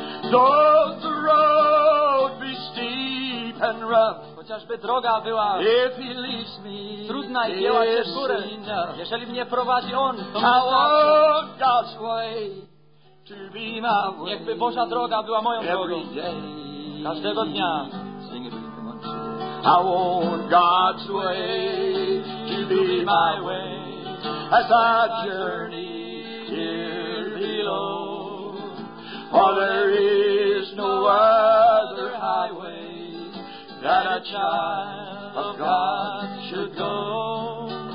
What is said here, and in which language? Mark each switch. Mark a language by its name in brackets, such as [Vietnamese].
[English] Though the road be steep and rough, [Polish] chociażby droga była [English] if he leads me, [Polish] trudna i biała się w górę. Jeżeli mnie prowadzi on, to [English] I want God's way. To be my way. [Polish] Niechby Boża droga była moją [English] every [Polish] drogą. [English] Day, [Polish] każdego dnia. [English] Sing it with me once. I want God's way to be my way. As I journey here below. For there is no other highway that a child of God should go.